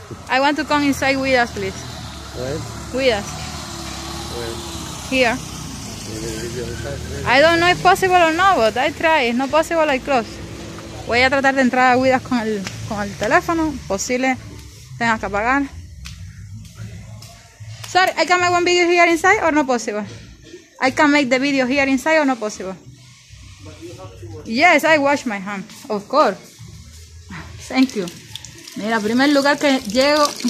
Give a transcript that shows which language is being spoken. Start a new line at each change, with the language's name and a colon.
English: I want to come inside with us, please. Where? With us. Where? Here. I don't know if possible or not, but I try. It's not possible, I close.
Spanish: Voy a tratar de entrar a Guidas con el teléfono. Posible tengas que apagar.
English: Sorry, I can make one video here inside or no possible? I can make the video here inside or no possible? Yes, I wash my hands, of course. Thank you.
Spanish: Mira, primer lugar que llego.